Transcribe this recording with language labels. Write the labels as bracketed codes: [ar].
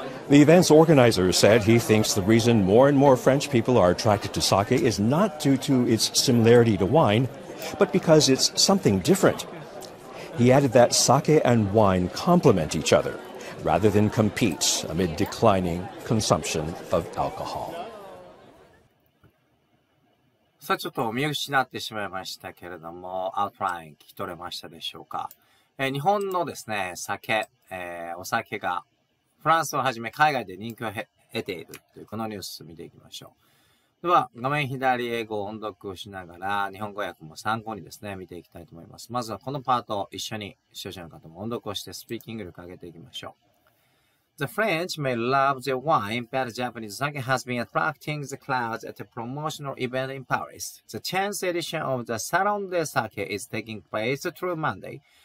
[en] The event's organizer said he thinks the reason more and more French people are attracted to sake is not due to its similarity to wine, but because it's something different. He added that sake and wine complement each other rather than compete amid declining consumption of alcohol. [ja] さあ、ちょっと見失ってしまいましたけれども、アウトライン聞き取れましたでしょうか。日本のですね酒、お酒がフランスをはじめ海外で人気を得ているというこのニュースを見ていきましょう。では画面左、英語を音読をしながら日本語訳も参考にですね見ていきたいと思います。まずはこのパートを一緒に視聴者の方も音読をしてスピーキング力を上げていきましょう。 [en] The French may love their wine, but Japanese sake has been attracting the crowds at a promotional event in Paris. The 10th edition of the Salon de Sake is taking place through Monday.